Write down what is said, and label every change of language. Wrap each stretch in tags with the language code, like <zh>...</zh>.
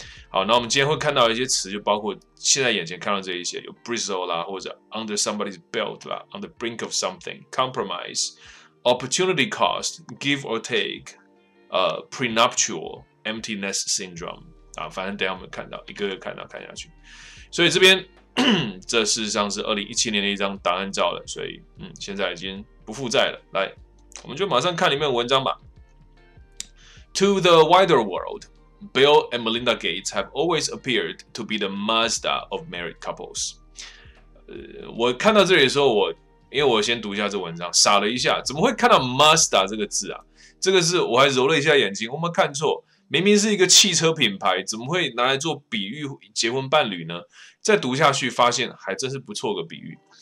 <zh>好，那我们今天会看到一些词，就包括现在眼前看到这一些，有 bristle 啦，或者 under somebody's belt 啦 ，on the brink of something，compromise，opportunity cost，give or take，prenuptial，empty nest syndrome 啊，反正等一下我们看到一个一个看到看下去。所以这边这事实上是2017年的一张档案照了，所以现在已经不负债了。来，我们就马上看里面的文章吧。</zh> <en>To the wider world。 Bill and Melinda Gates have always appeared to be the Mazda of married couples。</en> <zh>我看到这里的时候，因为我先读一下这文章，傻了一下，怎么会看到 Mazda 这个字啊？这个字我还揉了一下眼睛，我没看错，明明是一个汽车品牌，怎么会拿来做比喻结婚伴侣呢？再读下去，发现还真是不错的比喻。</zh>